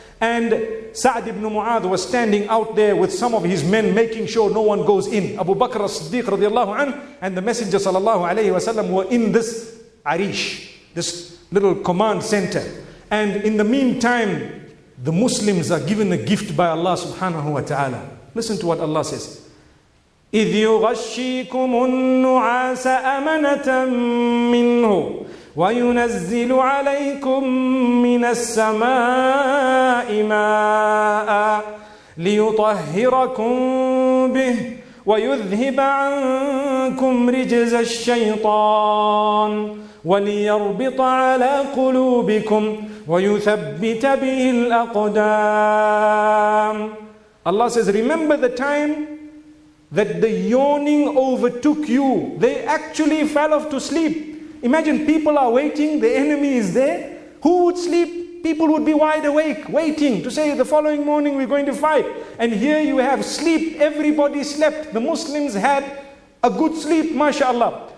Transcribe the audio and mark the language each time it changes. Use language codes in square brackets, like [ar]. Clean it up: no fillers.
[en] And Sa'd ibn Mu'adh was standing out there with some of his men, making sure no one goes in. Abu Bakr as-Siddiq radiallahu anhu and the Messenger sallallahu alayhi wa sallam were in this Arish, this little command center. And in the meantime, the Muslims are given a gift by Allah subhanahu wa ta'ala. Listen to what Allah says. [ar] إِذْ يُغَشِّيكُمُ النُّعَاسَ أَمَنَةً مِّنْهُ وَيُنَزِّلُ عَلَيْكُم مِّنَ السَّمَاءِ مَاءً لِيُطَهِّرَكُمْ بِهِ وَيُذْهِبَ عَنْكُمْ رِجْزَ الشَّيْطَانِ وَلِيَرْبِطَ عَلَى قُلُوبِكُمْ وَيُثَبِّتَ بِهِ الْأَقْدَامِ. [en] Allah says, remember the time that the yawning overtook you. They actually fell off to sleep. Imagine, people are waiting, the enemy is there. Who would sleep? People would be wide awake, waiting to say, the following morning we're going to fight. And here you have sleep. Everybody slept. The Muslims had a good sleep, mashallah.